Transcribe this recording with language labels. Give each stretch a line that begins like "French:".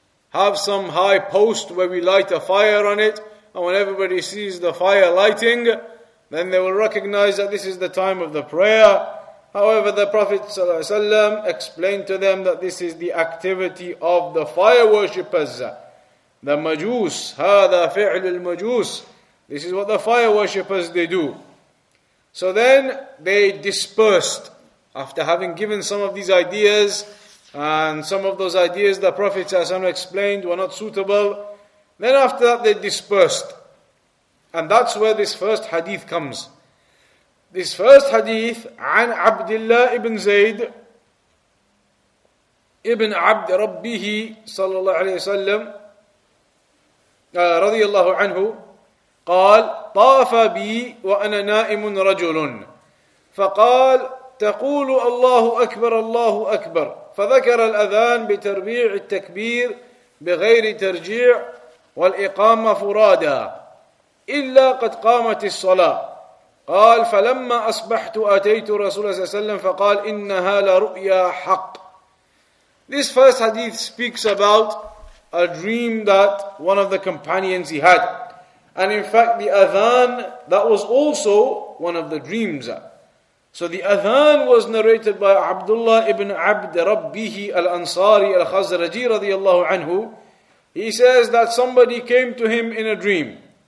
English: Have some high post where we light a fire on it, and when everybody sees the fire lighting, then they will recognize that this is the time of the prayer. However, the Prophet ﷺ explained to them that this is the activity of the fire worshippers.
Arabic: The majus, هذا فعل المجوس.
English: This is what the fire worshippers they do. So then they dispersed after having given some of these ideas. And some of those ideas the Prophet ﷺ explained were not suitable. Then after that they dispersed. And that's where this first hadith comes. This first hadith,
Arabic: عن عبد الله ابن زيد ابن عبد ربه صلى الله عليه وسلم رضي الله عنه قال طاف بي وأنا نائم رجل فقال تقول الله أكبر الله أكبر فذكر الأذان بتربيع التكبير بغير ترجيع والإقامة فرادا إلا قد قامت الصلاة قال فلما أصبحت أتيت رسول الله صلى الله عليه وسلم فقال إنها لرؤيا حق
English: This first hadith speaks about a dream that one of the companions he had. And in fact the Adhan, that was also one of the dreams. So the Adhan was narrated by Abdullah ibn Abd Rabbihi al-Ansari al-Khazraji radiyallahu anhu. He says that somebody came to him in a dream.